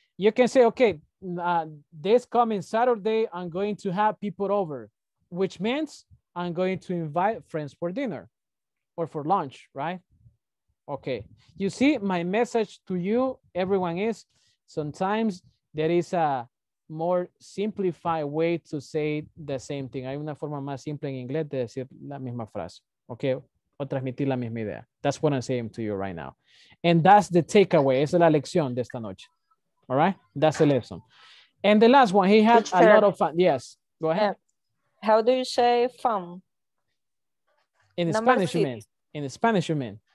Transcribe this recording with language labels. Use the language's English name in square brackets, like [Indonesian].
[English] You can say, okay, this coming Saturday, I'm going to have people over, which means I'm going to invite friends for dinner or for lunch, right? Okay. You see, my message to you, everyone, is sometimes there is a more simplified way to say the same thing. [Spanish] Hay una forma más simple en inglés de decir la misma frase. Okay. O transmitir la misma idea. [English] That's what I'm saying to you right now. And that's the takeaway. [Spanish] Esa es la lección de esta noche. [English] All right. That's the lesson. And the last one, he had a lot of fun. Yes. Go ahead. How do you say fun? In Spanish, you mean? In Spanish, you mean?